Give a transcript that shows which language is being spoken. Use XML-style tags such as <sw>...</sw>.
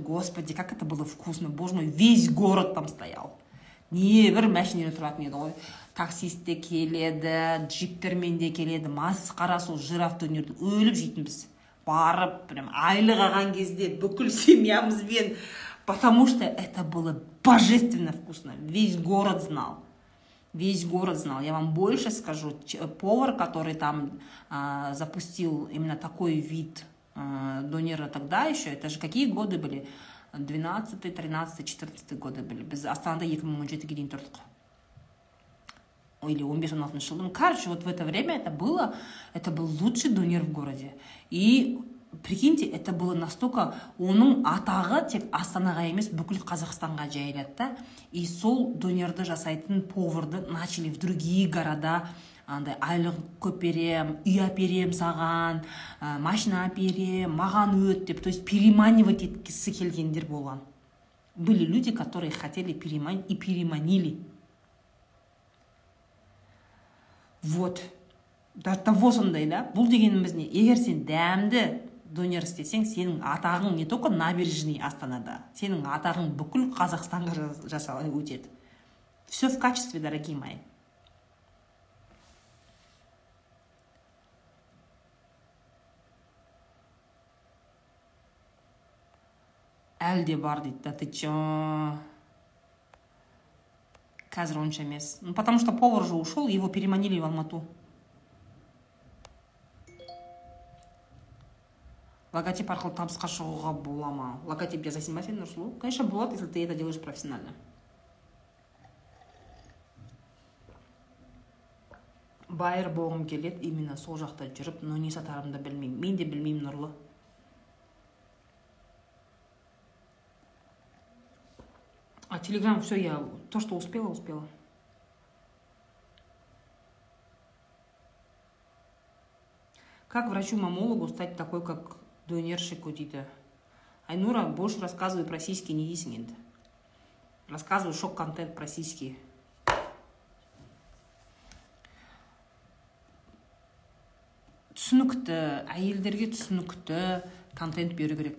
<ru>Господи, как это было вкусно. Боже мой, весь город там стоял.</ru> <kk>Небір машинер тұратын еді ғой. Таксист те келеді, джиптермен де келеді. Масқара сол жираф дөнерді өліп жейтінбіз. Барып, прям айлық алған кезде бүкіл семьямызбен,</kk> <ru>потому что это было божественно вкусно. Весь город знал. Весь город знал. Я вам больше скажу, повар, который там запустил именно такой вид донера тогда еще, это же какие годы были? 12-й, 13-й, 14-й годы были.</ru> <kk>Без Астанада 2017-ге дейін тұрдық.</kk> <ru>Или 15-16-й жылдың. Короче, вот в это время это был лучший донер в городе. И прикиньте, это было настолько,</ru> <kk>оның атағы тек Астанаға емес, бүкіл Қазақстанға жайылды.</kk> <ru>И</ru> <kk>сол донерді жасайтын поварды</kk> <ru>начали в другие города.</ru> <kk>Андай, айлық көп берем, үй әперем саған, машина әперем, маған өт деп,</kk> <ru>то есть переманивать</ru> <kk>еткісі келгендер болған.</kk> <ru>Были люди, которые хотели переманить и переманили. Вот. До того</ru> <kk>сондай, да? Бұл дегеніміз не? Егер сен дәмді донер істесең, сенің атағың</kk> <ru>не только</ru> <kk>набережный Астанада, сенің атағың бүкіл Қазақстанға жасалай өтеді.</kk> <ru>Все в качестве, дорогие мои.</ru> <kk>Әлде бар дейді,</kk> <ru>да ты че?</ru> <kk>Қазір онша емес.</kk> <ru>Ну, потому что повар же ушел, его переманили в Алмату.</ru> <kk>Логотип арқылы табысқа шығуға бола ма? Логотип жасайсың ба сен, Нұрсұлу?</kk> <ru>Конечно, болады, если ты это делаешь профессионально.</ru> <kk>Байыр болғым келеді,</kk> <ru>именно</ru> <kk>сол жақта жүріп,</kk> <ru>но не</ru> <kk>сатарымды білмеймін. Мен де білмеймін, Нұрлы.</kk> <ru>А Телеграм, все, я то, что успела, успела. Как врачу-мамологу стать такой, как донершику,</ru> <kk>дейді?</kk> <ru>Айнура, больше рассказывай про сиськи,</ru> <kk>не дейсің енді.</kk> <ru>Рассказывай шок-контент про сиськи.</ru> <kk>Түсінікті, әйелдерге түсінікті контент беру керек.</kk>